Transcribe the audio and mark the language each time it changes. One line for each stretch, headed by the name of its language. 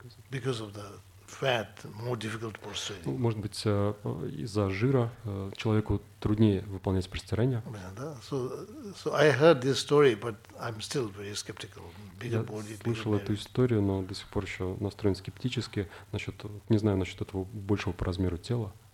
English: Because of the fat, more difficult to prostrate.
Russian: Ну, может быть, из-за жира человеку труднее выполнять простирание.
English: So I heard this story, but I'm still very skeptical. Bigger body, bigger.
Russian: Я слышал эту историю, но до сих пор еще настроен скептически насчет, не знаю, насчет этого большего по размеру тела.